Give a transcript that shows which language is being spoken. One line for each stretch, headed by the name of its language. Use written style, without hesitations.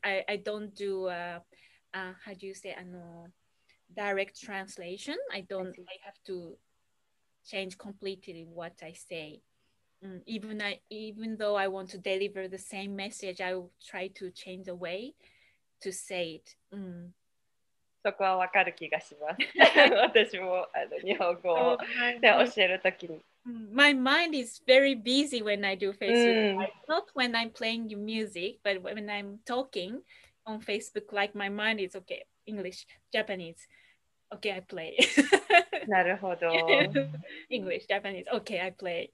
English: I don't do how do you say direct translation. I have to change completely what I say. Even though I want to deliver the same message, I will try to change the way to say it.
Japanese: そこはわかる気がします。私もあの日本語で教えるときに。
English: My mind is very busy when I do Facebook Live. Not when I'm playing music, but when I'm talking on Facebook, like my mind is okay, English, Japanese. Okay, I play.
Japanese: なるほど。
English: English, Japanese. Okay, I play.